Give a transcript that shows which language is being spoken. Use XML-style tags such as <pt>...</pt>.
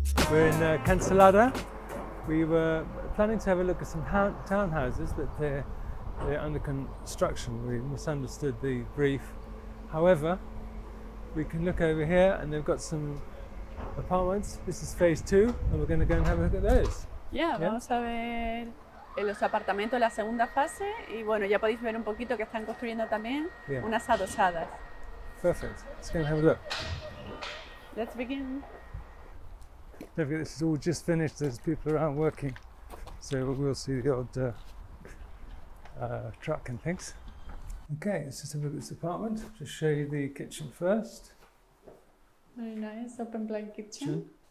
<en>We're in Cancellara. We were planning to have a look at some townhouses, but they're under construction. We misunderstood the brief. However, we can look over here and they've got some apartments. This is phase two, and we're going to go and have a look at those.</en> <es>Yeah, vamos a ver los apartamentos, la segunda fase, y bueno, ya podéis ver un poquito que están construyendo también unas adosadas.</es> <en>Perfect. Let's go and have a look. Let's begin. This is all just finished. There's people around working, so we'll see the old truck and things. Okay, let's just have a look at this apartment. Just show you the kitchen first. Very nice open plan kitchen.</en>